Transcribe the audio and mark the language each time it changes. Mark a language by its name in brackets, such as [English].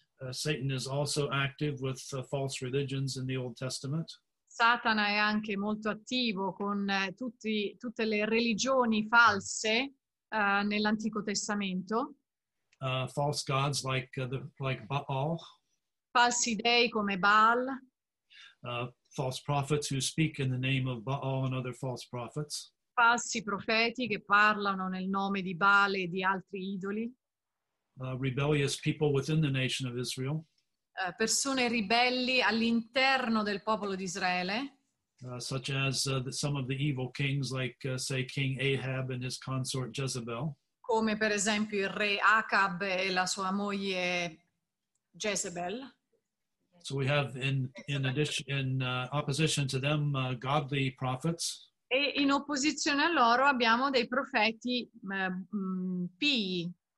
[English] Satan is also active with false religions in the Old Testament. [Italian] Satana è anche molto attivo con tutte le religioni false nell'Antico Testamento. [English] False gods like Baal. [Italian] Falsi dei come Baal. [English] False prophets who speak in the name of Baal and other false prophets. [Italian] Falsi profeti che parlano nel nome di Baal e di altri idoli. [English] Rebellious people within the nation of Israel. [Italian] Persone ribelli all'interno del popolo di Israele. [English] Such as some of the evil kings, like say King Ahab and his consort Jezebel. [Italian] Come per esempio il re Acab e la sua moglie Jezebel. [English] So we have in opposition to them godly prophets. [Italian] E in opposizione a loro abbiamo dei profeti pii.